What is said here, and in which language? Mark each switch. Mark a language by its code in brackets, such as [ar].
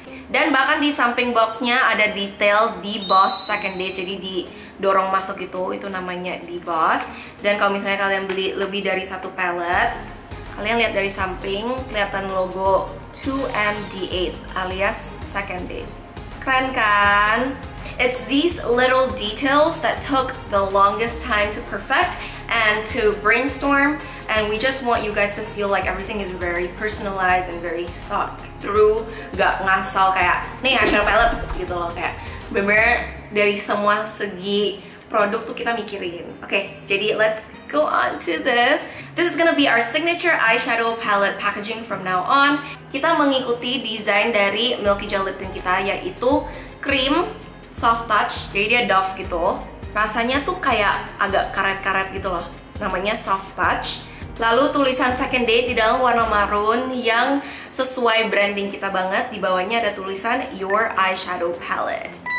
[id] Dan bahkan di samping boxnya ada detail deboss second day, jadi di dorong masuk itu namanya deboss. Dan kalau misalnya kalian beli lebih dari satu palette, kalian lihat dari samping kelihatan logo 2MD8 alias second date. Keren kan? [en] It's these little details that took the longest time to perfect and to brainstorm, and we just want you guys to feel like everything is very personalized and very thought through. [id] Gak ngasal kayak nih hasil palette gitu loh, kayak bener-bener dari semua segi produk tuh kita mikirin. Oke, jadi [en] let's go on to this. This is gonna be our signature eyeshadow palette packaging from now on. [id] Kita mengikuti desain dari Milky Gel Lip Tint kita, yaitu cream soft touch. Jadi dia doff gitu. Rasanya tuh kayak agak karet-karet gitu loh. Namanya soft touch. Lalu tulisan second date di dalam warna maroon yang sesuai branding kita banget. Di bawahnya ada tulisan Your Eyeshadow Palette.